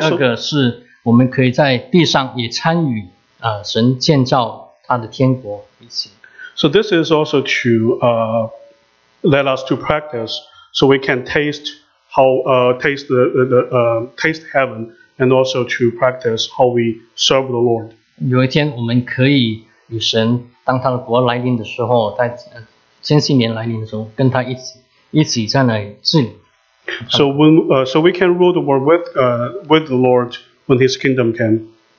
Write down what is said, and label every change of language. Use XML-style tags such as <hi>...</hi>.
<zh>第二个是我们可以在地上也参与神建造他的天国一起。</zh> <en>So this is also to let us to practice, so we can taste how taste heaven, and also to practice how we serve the Lord.</en> <zh>有一天我们可以。与神当他的国来临的时候，在千禧年来临的时候，跟他一起在那里治理。</zh> <en>So when so we can rule the world with the Lord when His kingdom came.</en>